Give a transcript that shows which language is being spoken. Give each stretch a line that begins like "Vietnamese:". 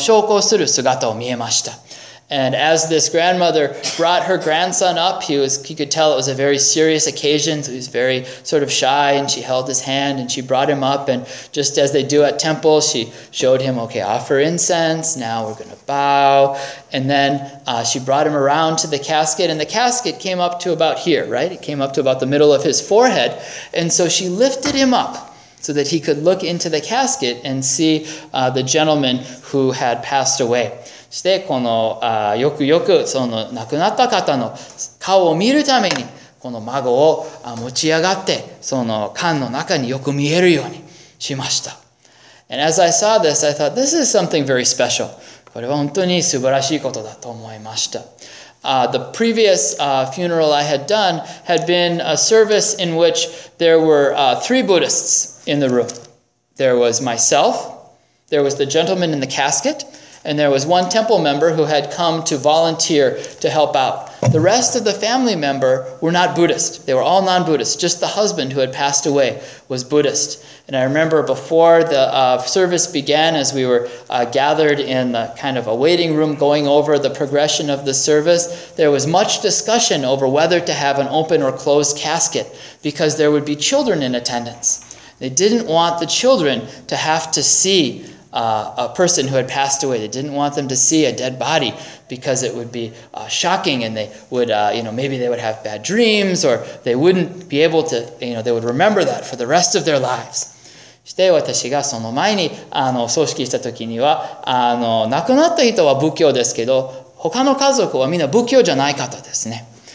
Japanese: して、これは葬儀屋さんのお葬式でしたから、こういう缶の横に座って、その焼香台の隣に座ってお勤めをして、みんなが焼香する姿を見えました。And
English: as this grandmother brought her grandson up, he could tell it was a very serious occasion, so he was very sort of shy, and she held his hand, and she brought him up, and just as they do at temple, she showed him, okay, offer incense, now we're going to bow, and then she brought him around to the casket, and the casket came up to about here, right? It came up to about the middle of his forehead, and so she lifted him up so that he could look into the casket and see the gentleman who had passed away.
Japanese: して、よくよくその亡くなった方の顔を見るために、この孫を持ち上がって、その缶の中によく見えるようにしました。And
English: as I saw this, I thought, this is something very special.
Japanese: これは本当に素晴らしいことだと思いました。
English: The previous funeral I had done had been a service in which there were three Buddhists in the room. There was myself, There was the gentleman in the casket, and there was one temple member who had come to volunteer to help out. The rest of the family member were not Buddhist. They were all non-Buddhist. Just the husband who had passed away was Buddhist. And I remember before the service began, as we were gathered in the kind of a waiting room going over the progression of the service, there was much discussion over whether to have an open or closed casket because there would be children in attendance. They didn't want the children to have to see a person who had passed away. They didn't want them to see a dead body because it would be shocking, and they would, maybe they would have bad dreams, or they wouldn't be able to, you know, they would remember that for the rest of their lives.
Japanese: して私がその前に、葬式した時には、亡くなった人は仏教ですけど、他の家族はみんな仏教じゃない方ですね。